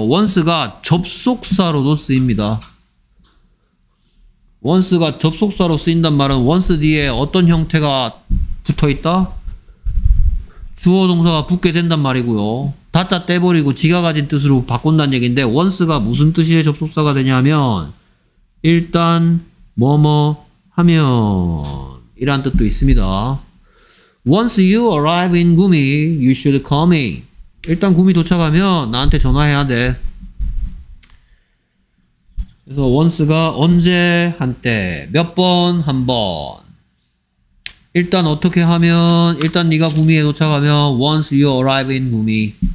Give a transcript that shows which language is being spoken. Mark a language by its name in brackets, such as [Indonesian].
[Korean] once가 접속사로도 쓰입니다. once가 접속사로 쓰인단 말은 once 뒤에 어떤 형태가 붙어있다? 주어 동사가 붙게 된단 말이고요. 다짜 떼버리고 지가 가진 뜻으로 바꾼다는 얘기인데 once가 무슨 뜻의 접속사가 되냐면 일단 뭐뭐 하면 이란 뜻도 있습니다. [English] once you arrive in Gumi, you should call me. [Korean] 일단 구미 도착하면 나한테 전화해야 돼. 그래서 once가 언제, 한때, 몇 번, 한 번. 일단 어떻게 하면, 일단 네가 구미에 도착하면 [English] once you arrive in Gumi.